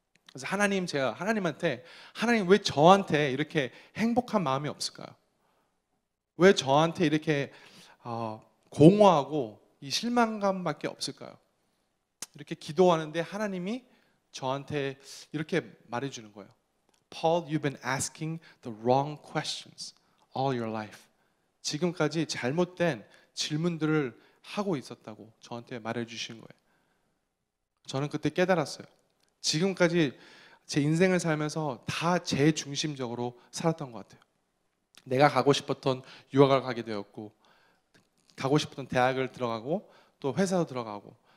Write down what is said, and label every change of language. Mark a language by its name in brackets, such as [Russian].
[Korean] 그래서 하나님 제가 하나님한테 하나님 왜 저한테 이렇게 행복한 마음이 없을까요? 왜 저한테 이렇게 공허하고 이 실망감밖에 없을까요? 이렇게 기도하는데 하나님이 저한테 이렇게 말해주는 거예요. [English] Paul, you've been asking the wrong questions all your life. [Korean] 지금까지 잘못된 질문들을 하고 있었다고 저한테 말해주신 거예요. 저는 그때 깨달았어요. 지금까지 제 인생을 살면서 다 제 중심적으로 살았던 것 같아요. 내가 가고 싶었던 유학을 가게 되었고 가고 싶었던 대학을 들어가고 또 회사도 들어가고